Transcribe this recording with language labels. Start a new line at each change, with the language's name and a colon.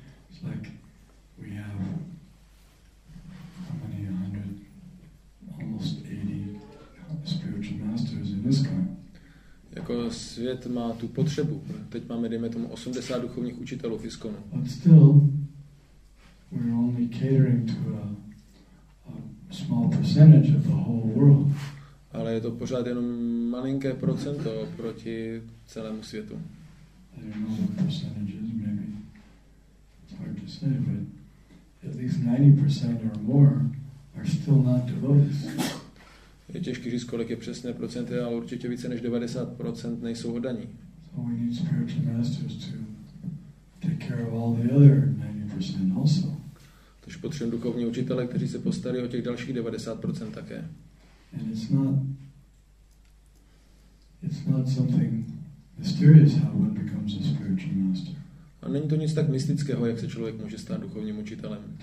English: It's like we have how many 100, almost 80 spiritual masters in this kind.
Czech: Jako svět má tu potřebu. Teď máme, dejme tomu, 80 duchovních učitelů v ISKCONu.
English: But still, we're only catering to a small percentage of the whole world.
Czech: Ale je to pořád jenom malinké procento proti celému světu.
English: I don't know what percentage is, maybe. Hard to say, but at least 90% or more are still not devotees.
Czech: Je těžké říct, kolik je přesné procenty, ale určitě více než 90% nejsou oddaní.
English: So we need spiritual masters to take care of all the other 90% also.
Czech: Takže potřebujeme duchovní učitele, kteří se postarí o těch dalších 90% také.
English: And it's not something mysterious how one becomes a spiritual master.
Czech: A není to nic tak mystického, jak se člověk může stát duchovním učitelem.